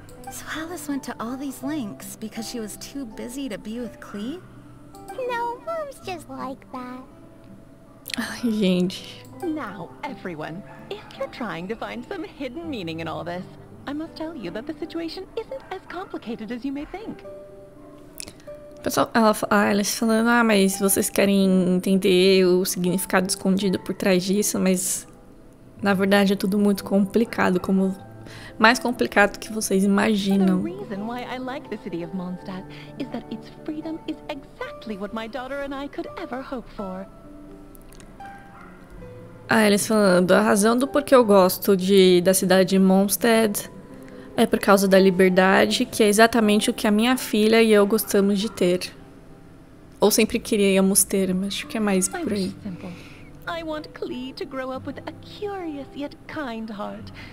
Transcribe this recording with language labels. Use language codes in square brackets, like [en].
[en] So Alice went to all these links because she was too busy to be with Klee? No, mom's just like that. [pt] Ai, gente. [en] Now, everyone, if you're trying to find some hidden meaning in all this, I must tell you that the situation isn't as complicated as you may think. [pt] Pessoal, Alice falando, ah, mas vocês querem entender o significado escondido por trás disso, mas na verdade é tudo muito complicado, como mais complicado que vocês imaginam. [en] The reason why I like the city of Mondstadt is that its freedom is exactly what my daughter and I could ever hope for. [pt] Ah, Alice falando, a razão do porquê eu gosto da cidade de Mondstadt é por causa da liberdade, que é exatamente o que a minha filha e eu gostamos de ter. Ou sempre queríamos ter, mas acho que é mais por aí. [en] I want Klee to grow up with a curious yet kind heart.